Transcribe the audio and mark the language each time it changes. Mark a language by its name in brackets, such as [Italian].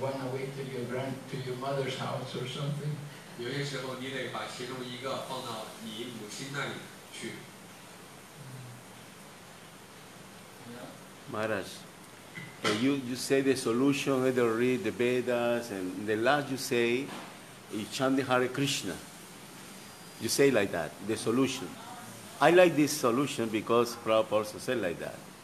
[English] one away to your mother's house or something. [Chinese] 有些时候你得把其中一个放到你母亲那里去。 [English] Maharaj, you say the solution, either read the Vedas, and the last you say is chanting Hare Krishna. You say like that, the solution. I like this solution because Prabhupada also said like that.